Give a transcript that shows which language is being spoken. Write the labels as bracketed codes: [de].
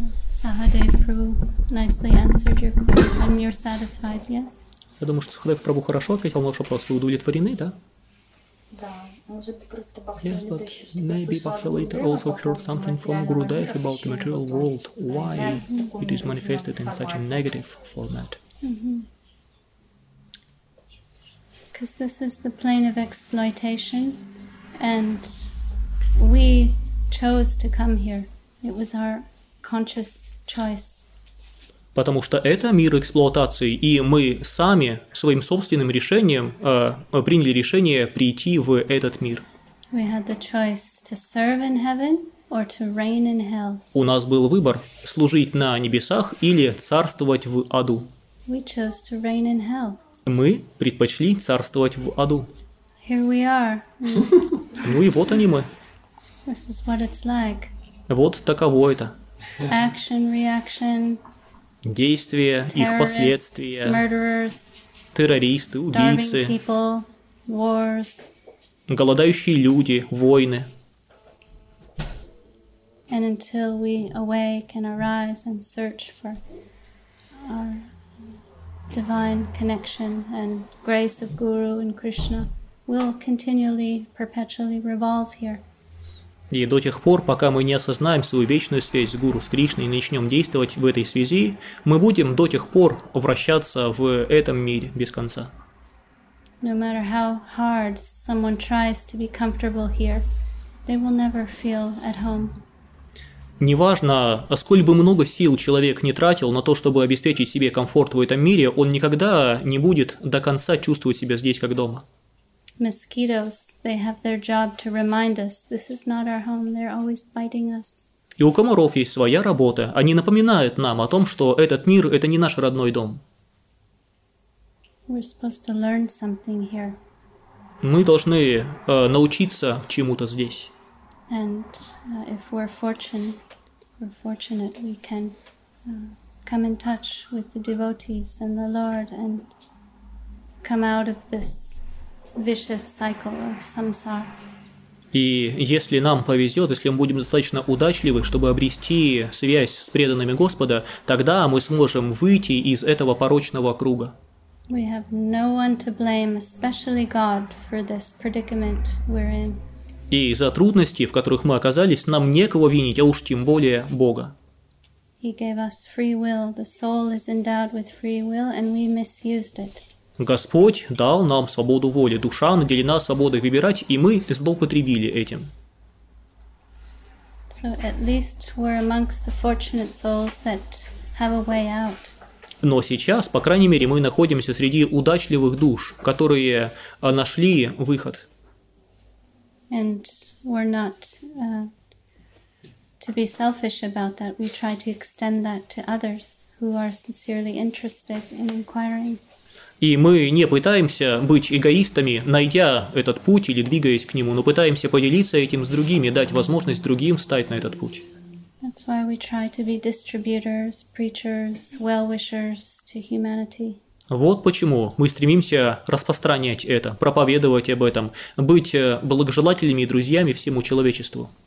[en] Сахадев Прабху nicely answered your question. And you're satisfied, yes? [ru] Я думаю, что Сахадев Прабху хорошо ответил на ваш вопрос. Вы удовлетворены, да? Да. Может, просто Бхакти Лалита еще что-то слышала. [en] Maybe Бхакти Лалита also heard something from Gurudev about the material world. Why it is manifested in such a negative format? Because this is the plane of exploitation, and we chose to come here. It was our conscious choice. [ru] Потому что это мир эксплуатации, и мы сами своим собственным решением приняли решение прийти в этот мир. [en] We had the choice to serve in heaven or to reign in hell. [ru] У нас был выбор: служить на небесах или царствовать в аду. [en] We chose to reign in hell. [ru] Мы предпочли царствовать в аду. [en] Here we are. [ru] Ну и вот они мы. [en] This is what it's like. [ru] Вот таково это. [en] Action, reaction, [ru] действия, их последствия, [en] murderers, [ru] террористы, убийцы, [en] starving people, wars, [ru] голодающие люди, войны. [en] And until we awake and arise and search for our divine connection and grace of Guru and Krishna will continually, perpetually revolve here. [ru] И до тех пор, пока мы не осознаем свою вечную связь с Гуру, с Кришной, и начнем действовать в этой связи, мы будем до тех пор вращаться в этом мире без конца. [en] No matter how hard someone tries to be comfortable here, they will never feel at home. [ru] Неважно, сколь бы много сил человек не тратил на то, чтобы обеспечить себе комфорт в этом мире, он никогда не будет до конца чувствовать себя здесь как дома. [en] Mosquitoes, they have their job to remind us this is not our home, they're always biting us. [ru] И у комаров есть своя работа. Они напоминают нам о том, что этот мир – это не наш родной дом. [en] We're supposed to learn something here. [ru] Мы должны научиться чему-то здесь. [en] And if we're fortunate, we can come in touch with the devotees and the Lord and come out of this vicious cycle of samsara. [ru] И если нам повезет, если мы будем достаточно удачливы, чтобы обрести связь с преданными Господа, тогда мы сможем выйти из этого порочного круга. [en] We have no one to blame, especially God, for this predicament we're in. [ru] И за трудности, в которых мы оказались, нам некого винить, а уж тем более Бога. [en] He gave us free will. The soul is endowed with free will, and we misused it. [ru] Господь дал нам свободу воли. Душа наделена свободой выбирать, и мы злоупотребили этим. [en] So at least we're amongst the fortunate souls that have a way out. [ru] Но сейчас, по крайней мере, мы находимся среди удачливых душ, которые нашли выход. [en] And we're not to be selfish about that. We try to extend that to others who are sincerely interested in inquiring. [ru] И мы не пытаемся быть эгоистами, найдя этот путь или двигаясь к нему, но пытаемся поделиться этим с другими, дать возможность другим встать на этот путь. [en] That's why we try to be distributors, preachers, well-wishers to humanity. [ru] Вот почему мы стремимся распространять это, проповедовать об этом, быть благожелателями и друзьями всему человечеству.